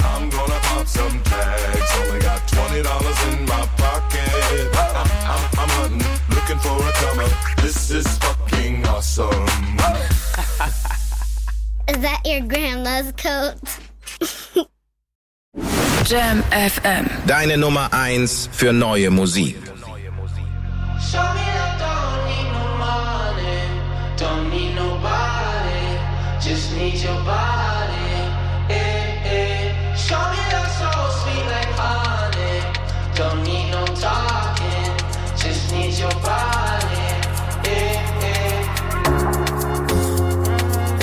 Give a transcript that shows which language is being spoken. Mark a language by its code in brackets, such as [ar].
[en] I'm gonna pop some tags. Only got $20 in my pocket. I'm hunting, looking for a come up. This is fucking awesome. Is that your grandma's coat? Jam FM. [de] Deine Nummer 1 für neue Musik. [en] Show me that don't need no money, don't need nobody, just need your body, yeah, yeah. Show me that soul sweet like honey, don't need no talking, just need your body, yeah, yeah.